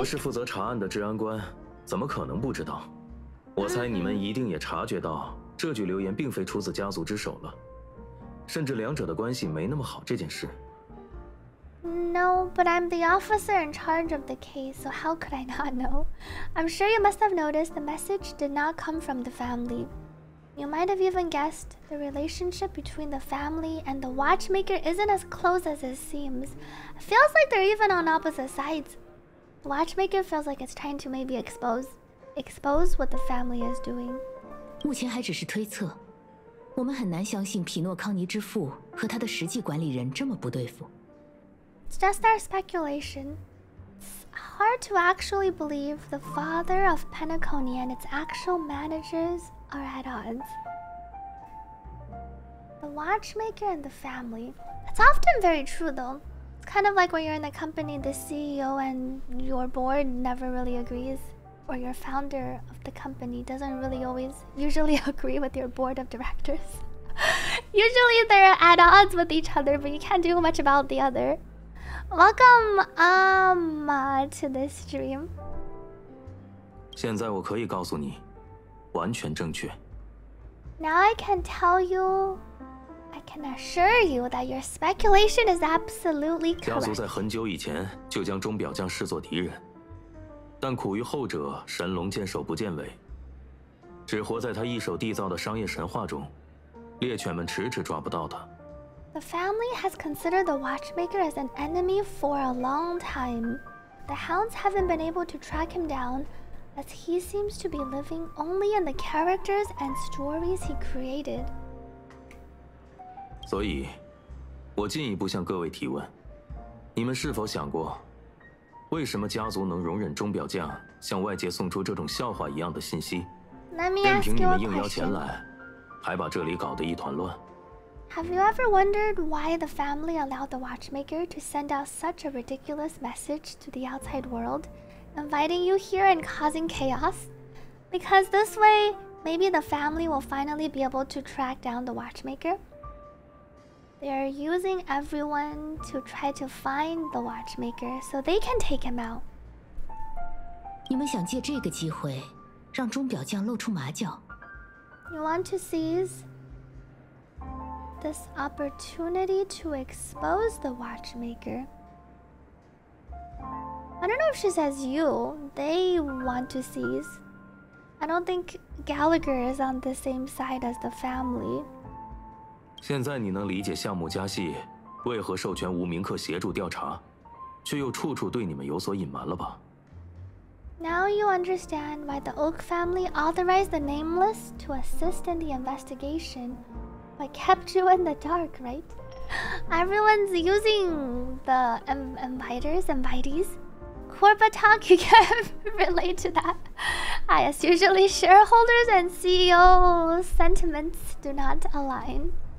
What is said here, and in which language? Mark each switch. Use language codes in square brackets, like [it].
[zh] 我是负责查案的治安官，怎么可能不知道？我猜你们一定也察觉到，这句留言并非出自家族之手了，甚至两者的关系没那么好这件事。 [en] No, but I'm the officer in charge of the case, so how could I not know? I'm sure you must have noticed the message did not come from the family. You might have even guessed the relationship between the family and the watchmaker isn't as close as it seems. It feels like they're even on opposite sides. The watchmaker feels like it's trying to maybe expose what the family is doing. [zh] 目前还只是推测，我们很难相信匹诺康尼之父和他的实际管理人这么不对付。 [en] It's just our speculation. It's hard to actually believe the father of Penacony and its actual managers are at odds. The watchmaker and the family. That's often very true, though. It's kind of like when you're in a company, the CEO and your board never really agrees, or your founder of the company doesn't really always usually agree with your board of directors. Usually they're at odds with each other, but you can't do much about the other. Welcome to the stream. [zh] 现在我可以告诉你，完全正确。 [en] Now I can tell you, I can assure you that your speculation is absolutely correct. [zh] 家族在很久以前就将钟表匠视作敌人，但苦于后者神龙见首不见尾，只活在他一手缔造的商业神话中，猎犬们迟迟抓不到他。 [en] The family has considered the watchmaker as an enemy for a long time. The hounds haven't been able to track him down, as he seems to be living only in the characters and stories he created. [zh] 所以，我进一步向各位提问：你们是否想过，为什么家族能容忍钟表匠向外界送出这种笑话一样的信息？ [en] Let me ask you a question. [zh] 任凭你们应邀前来，还把这里搞得一团乱。 [en] Have you ever wondered why the family allowed the watchmaker to send out such a ridiculous message to the outside world, inviting you here and causing chaos? Because this way, maybe the family will finally be able to track down the watchmaker. They are using everyone to try to find the watchmaker so they can take him out. [zh] 你们想借这个机会让钟表匠露出马脚? [en] You want to seize... this opportunity to expose the watchmaker. I don't know if she says you. They want to seize. I don't think Gallagher is on the same side as the family. [zh] 现在你能理解项目家系为何授权吴明克协助调查，却又处处对你们有所隐瞒了吧？ [en] Now you understand why the Oak family authorized the Nameless to assist in the investigation. I kept you in the dark, right? Everyone's using the invitees. Corporate talk, you can relate to that. I guess usually shareholders and CEO sentiments do not align.